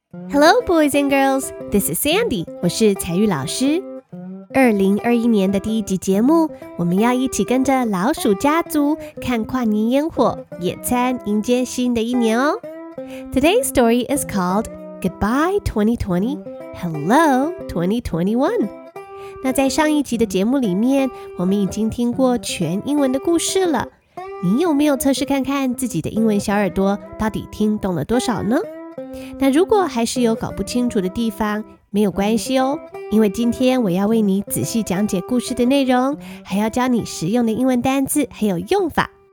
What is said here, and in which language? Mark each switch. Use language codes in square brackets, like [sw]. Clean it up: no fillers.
[en] Hello, boys and girls. This is Sandy. [zh] 我是彩玉老师。 2021年的第一集节目，我们要一起跟着老鼠家族看跨年烟火、野餐，迎接新的一年哦。 [en] Today's story is called Goodbye 2020. Hello 2021。 [zh] 那在上一集的节目里面，我们已经听过全英文的故事了，你有没有测试看看自己的英文小耳朵到底听懂了多少呢？那如果还是有搞不清楚的地方，没有关系哦，因为今天我要为你仔细讲解故事的内容，还要教你实用的英文单字还有用法。